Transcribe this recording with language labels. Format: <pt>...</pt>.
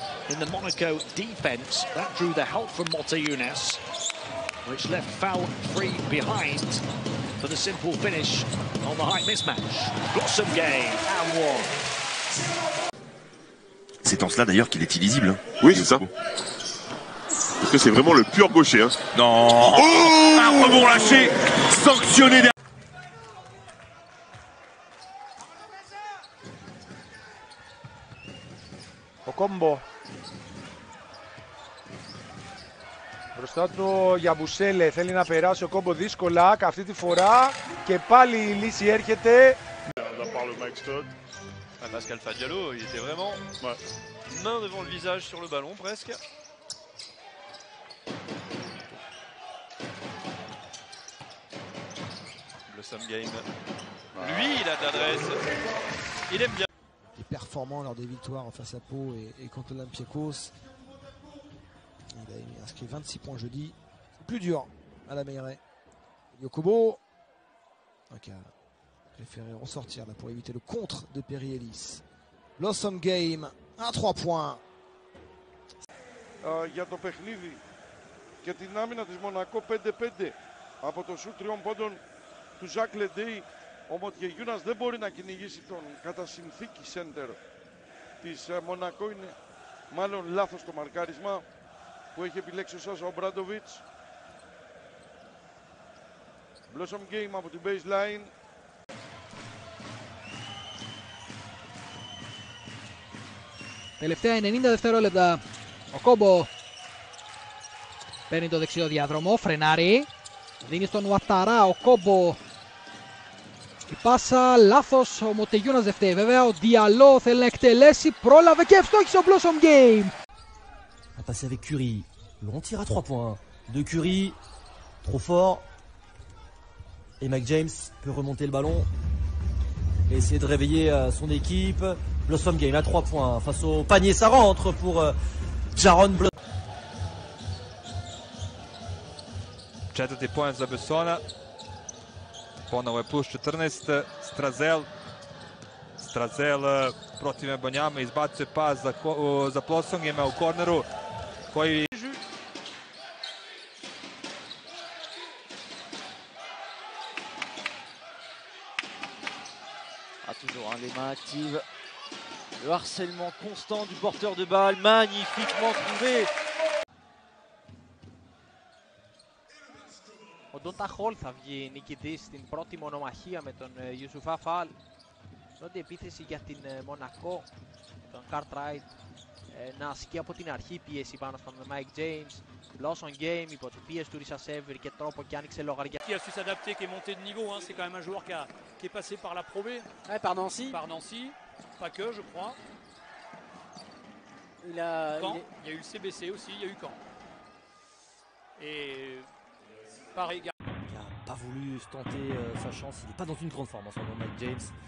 <en>In the Monaco defense, that drew the help from Mota Younes, which left foul free behind for the simple finish on the height mismatch. Blossom Game and one.</en> <fr>C'est en cela d'ailleurs qu'il est illisible. Oui, c'est ça. Parce que c'est vraiment le pur gaucher. Hein. Non. Oh, un rebond lâché, sanctionné derrière.</fr> <el>Κόμπο. Μπροστά του Γιαμπουσέλε θέλει να περάσει ο κόμπο δύσκολα. Αυτή τη φορά και πάλι η λύση έρχεται.</el> <fr>par le Mike Stott. Ah, Pascal Fadiallo, il était vraiment ouais. Main devant le visage sur le ballon presque. Blossom Game. Ah. Lui, il a de l'adresse. Il aime bien. Il est performant lors des victoires face à Pau et contre l'Olympiakos. Il a inscrit 26 points jeudi. Plus dur à la Meilleret. Yokobo. Ok. Préféré ressortir là pour éviter le contre de Perry Ellis. Blossom Game, à 3 points.</fr> <el>Για το παιχνίδι και την άμυνα της Μονακό 5-5 από το σούτ τριών πόντων του Ζακ Λεντέι, ο Μοτιεγιούνας δεν μπορεί να κυνηγήσει τον κατά συνθήκη σέντερ της Μονακό. Είναι μάλλον λάθος το μαρκάρισμα που έχει επιλέξει ο Σάσα Ομπράντοβιτς. Blossom Game από την baseline. Τελευταία 90 δευτερόλεπτα. Ο Κόμπο παίρνει το δεξιό διάδρομο, φρενάρει, δίνει στον Ουαταρά. Ο Κόμπο η πάσα, λάθος, ο Μοτεγιούνας δευτεί. Βέβαια ο Διαλό θέλει να εκτελέσει, πρόλαβε και ευστόχησε ο Blossom Game.</el> <fr>Θα passer avec Curry, long tir à 3 points de Curry, trop fort. Et Mike James peut remonter le ballon et essayer de réveiller son équipe. Blossom Game à 3 points face au panier, ça rentre pour Jaron Blossom.</fr> <hr>4 points za Bessona. Ponovo je plus 14. Strazel. Strazel protiv Banjama izbacuje pas za, za Blossom Game u korneru koji...</hr> <fr>A toujours hein, les mains actives. Le harcèlement constant du porteur de balle, magnifiquement trouvé.</fr> <el>Ο Ντόντα Χολ θα βγει νικητή στην πρώτη μονομαχία με τον Ιουσουφά Φαλ. Πρώτη επίθεση για την Μονακό. Τον Cartwright να ασκεί από την αρχή πίεση πάνω στον Mike James. Blossom Game υπό την πίεση του Ρίσα Σέβρη και τρόπο και άνοιξε λογαριά.</el> <fr>Qui a su s'adapter, qui est monté de niveau, hein. C'est quand même un joueur qui est passé par la Pro B. Par Nancy. Par Nancy. Pas que, je crois. Il a. Quand il y a eu le CBC aussi, il y a eu quand. Et. Pareil. Il a pas voulu se tenter sa chance. Il n'est pas dans une grande forme en ce moment, Mike James.</fr>